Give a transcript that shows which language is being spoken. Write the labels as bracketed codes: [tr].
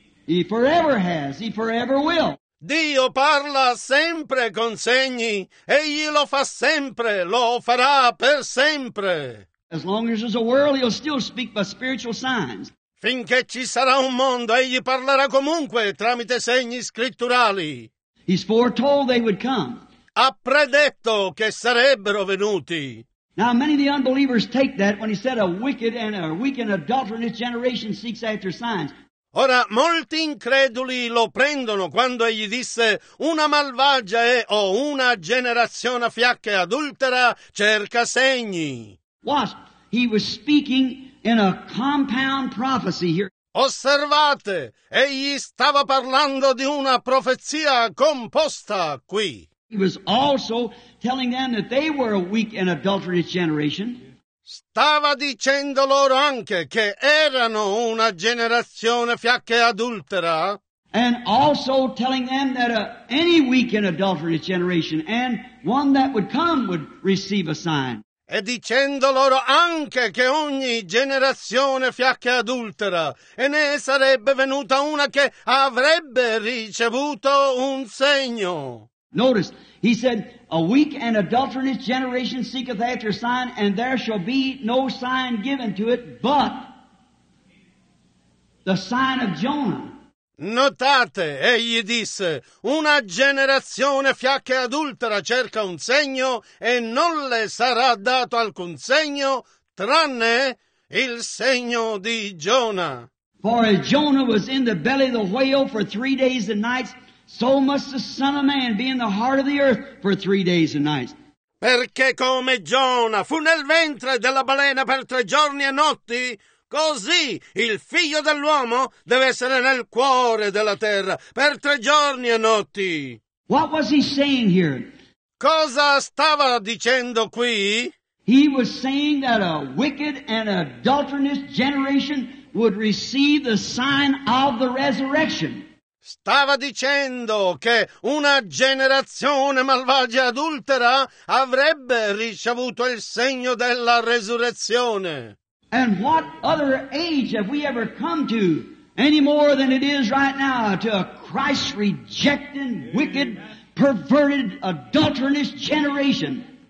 [en] He forever has, he forever will. [it] Dio parla sempre con segni. Egli lo fa sempre, lo farà per sempre. [en] As long as there's a world, he'll still speak by spiritual signs. [it] Finché ci sarà un mondo, egli parlerà comunque tramite segni scritturali. [en] He's foretold they would come. [it] Ha predetto che sarebbero venuti. [en] Now many of the unbelievers take that when he said a wicked and a weak and adulterous generation seeks after signs. [it] Ora molti increduli lo prendono quando egli disse una malvagia e o una generazione fiacca e adultera cerca segni. [en] Watch, he was speaking in a compound prophecy here. [it] Osservate, egli stava parlando di una profezia composta qui. [en] He was also telling them that they were a weak and adulterous generation. [it] Stava dicendo loro anche che erano una generazione fiacca e adultera. [en] And also telling them that any weak and adulterous generation and one that would come would receive a sign. [it] E dicendo loro anche che ogni generazione fiacca e adultera, e ne sarebbe venuta una che avrebbe ricevuto un segno. [en] Notice, he said, a weak and adulterous generation seeketh after a sign, and there shall be no sign given to it, but the sign of Jonah. [it] Notate, egli disse, una generazione fiacca e adultera cerca un segno e non le sarà dato alcun segno tranne il segno di Giona. [en] For as Jonah was in the belly of the whale for 3 days and nights, so must the Son of Man be in the heart of the earth for 3 days and nights. [it] Perché come Giona fu nel ventre della balena per 3 giorni e notti, così il figlio dell'uomo deve essere nel cuore della terra per 3 giorni e notti. [en] What was he saying here? [it] Cosa stava dicendo qui? [en] He was saying that a wicked and adulterous generation would receive the sign of the resurrection. [it] Stava dicendo che una generazione malvagia e adultera avrebbe ricevuto il segno della resurrezione. [en] And what other age have we ever come to any more than it is right now to a Christ-rejecting, wicked, perverted, adulterous generation?